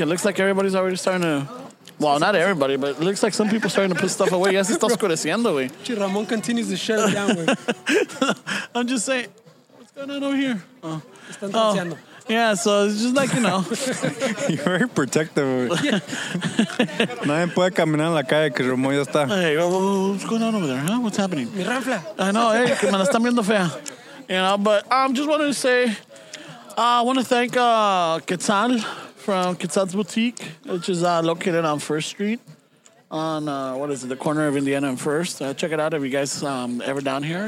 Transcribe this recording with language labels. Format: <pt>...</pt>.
<en>It looks like everybody's already starting to. Well, not everybody, but it looks like some people starting to put stuff away.</en> <es>Yes, está oscureciendo, güey.</es> <en>Ramón continues to shut it down. I'm just saying. No, over here. Oh. Yeah, so it's just like, you know. You're very protective.</en> <es>Nadie puede caminar en la calle que Ramón ya está.</es> <en>Hey, what's going on over there, huh? What's happening?</en> <es>Mi rafla.</es> <en>I know, hey,</en> <es>que me la están viendo fea.</es> <en>You know, but I just wanted to say, I want to thank Quetzal from Quetzal's Boutique, which is located on First Street on, what is it, the corner of Indiana and First. Check it out if you guys ever down here.</en>